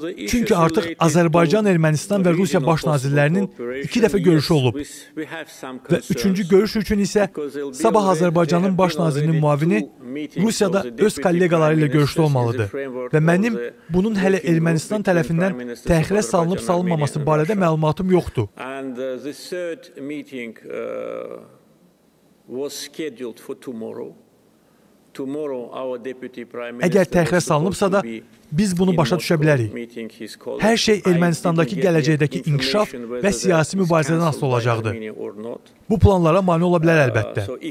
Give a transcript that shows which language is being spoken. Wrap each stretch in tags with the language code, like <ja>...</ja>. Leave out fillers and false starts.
<az>Çünki artıq Azərbaycan, Ermənistan və Rusiya baş nazirlərinin iki dəfə görüşü olub və üçüncü görüş üçün isə sabah Azərbaycanın baş nazirinin müavini Rusiyada öz kollegaları ilə görüşdə olmalıdır və mənim bunun hələ Ermənistan tərəfindən təxirə salınıb-salınmaması barədə məlumatım yoxdur.</az> <en>And the third meeting was scheduled for tomorrow.</en> <az>Əgər təxirə salınıbsa da, biz bunu başa düşə bilərik. Hər şey Ermənistandakı gələcəkdəki inkişaf və siyasi mübarizədən asılı olacaqdır. Bu planlara mani ola bilər əlbəttə.</az>